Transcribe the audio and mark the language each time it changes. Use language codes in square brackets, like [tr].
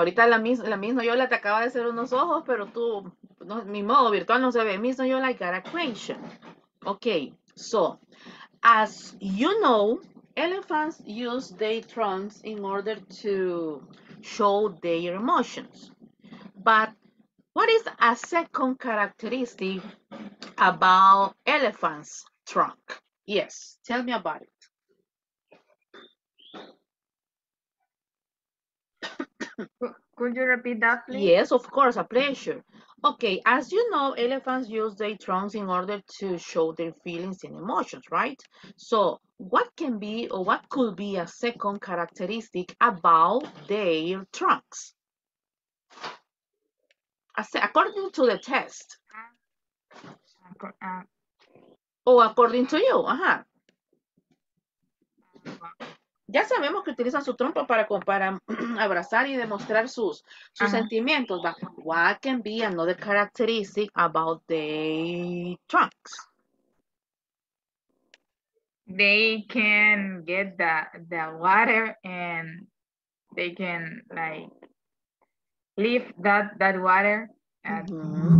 [es] Ahorita la Miss Noyola te acaba de hacer unos ojos, pero tú, no, mi modo virtual no se ve. [en] Miss Noyola, I got a question. Okay, so, as you know, elephants use their trunks in order to show their emotions. But what is a second characteristic about elephants' trunk? Yes, tell me about it. Could you repeat that, please? Yes, of course, a pleasure. Okay, as you know, elephants use their trunks in order to show their feelings and emotions, right? So what can be or what could be a second characteristic about their trunks? According to the test. Oh, according to you, ajá. [es] Ya sabemos que utilizan su trompa para abrazar y demostrar sus uh-huh. sentimientos. [en] But what can be another characteristic about the trunks? They can get the water and they can like lift that water and, mm-hmm.